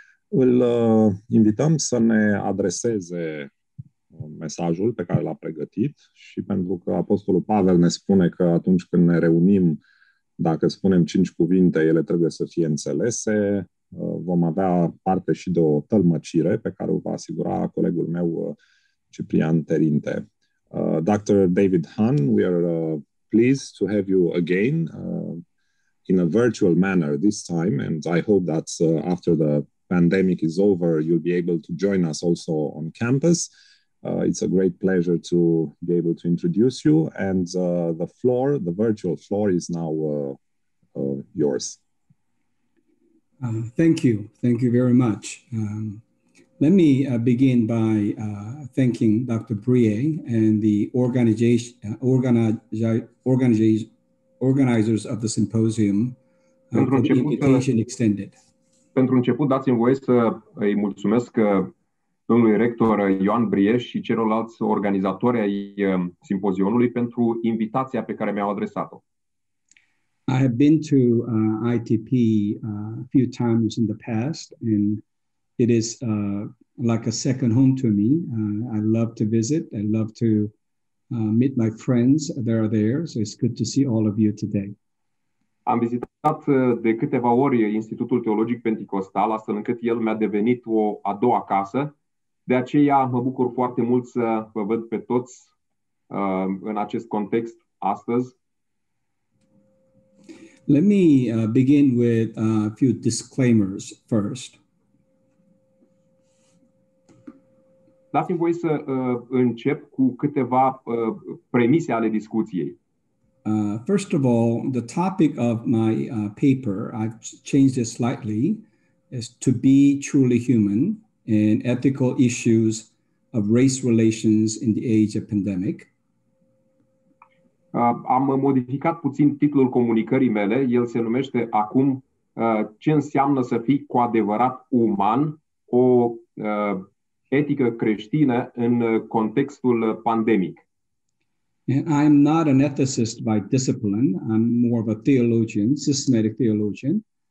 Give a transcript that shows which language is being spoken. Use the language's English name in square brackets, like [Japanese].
[Romanian] Îl invităm să ne adreseze mesajul pe care l-a pregătit și pentru că Apostolul Pavel ne spune că atunci când ne reunim, dacă spunem 5 cuvinte, ele trebuie să fie înțelese, vom avea parte și de o tălmăcire pe care o va asigura colegul meu, Ciprian Terinte. [English] Dr. David Hahn, we are pleased to have you again in a virtual manner this time, and I hope that after the pandemic is over, you'll be able to join us also on campus. It's a great pleasure to be able to introduce you, and the floor, the virtual floor, is now yours. Thank you very much. Let me begin by thanking Dr. Brie and the organizers of the symposium for the invitation extended. [Romanian] Pentru început, dați-mi voie să îi mulțumesc domnului rector Ioan Brieș și celorlalți organizatori ai simpozionului pentru invitația pe care mi-au adresat-o. [English] I have been to ITP a few times in the past and it is like a second home to me. I love to visit, I love to meet my friends that are there, so it's good to see all of you today. [Romanian] Am vizitat de câteva ori Institutul Teologic Pentecostal, astfel încât el mi-a devenit o a doua casă. De aceea mă bucur foarte mult să vă văd pe toți în acest context astăzi. [English] Let me begin with a few disclaimers first. [Romanian] Dați-mi voi să încep cu câteva premise ale discuției. [English] First of all, the topic of my paper, I've changed it slightly, is to be truly human and ethical issues of race relations in the age of pandemic. [Romanian] Am modificat puțin titlul comunicării mele. El se numește acum ce înseamnă să fii cu adevărat uman, o etică creștină în contextul pandemic. [English] And I'm not an ethicist by discipline. I'm more of a theologian, systematic theologian.